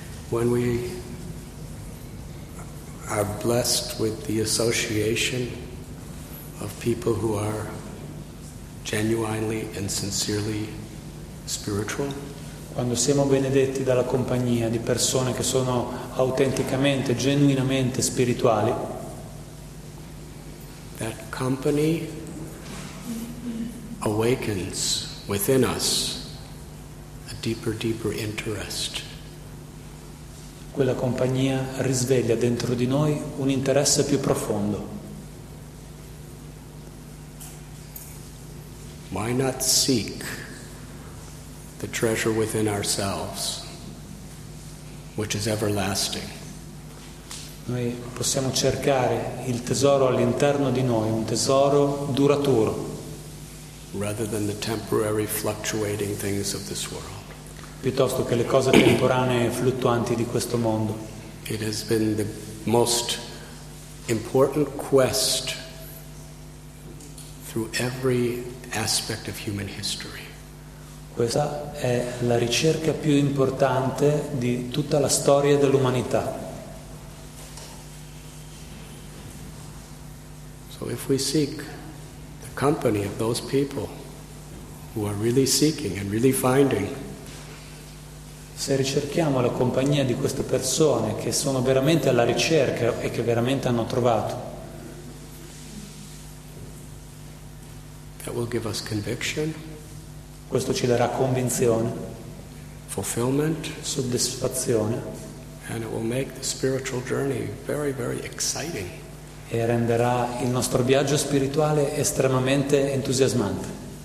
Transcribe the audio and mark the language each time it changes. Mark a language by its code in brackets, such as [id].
[en] When we are blessed with the association of people who are genuinely and sincerely spiritual. [it] Quando siamo benedetti dalla compagnia di persone che sono autenticamente, genuinamente spirituali, [en] that company awakens within us a deeper, deeper interest. [it] Quella compagnia risveglia dentro di noi un interesse più profondo. [en] Why not seek the treasure within ourselves, which is everlasting? [it] Noi possiamo cercare il tesoro all'interno di noi, un tesoro duraturo, [en] rather than the temporary fluctuating things of this world. [it] Piuttosto che le cose temporanee e fluttuanti di questo mondo. [en] It has been the most important quest through every aspect of human history. [it] Questa è la ricerca più importante di tutta la storia dell'umanità. [en] So if we seek the company of those people who are really seeking and really finding, [it] se ricerchiamo la compagnia di queste persone che sono veramente alla ricerca e che veramente hanno trovato, [en] that will give us conviction. [it] Questo ci darà convinzione, [en] fulfillment, [it] soddisfazione, [en] and it will make the spiritual journey very, very exciting. [it] E renderà il nostro viaggio spirituale estremamente entusiasmante.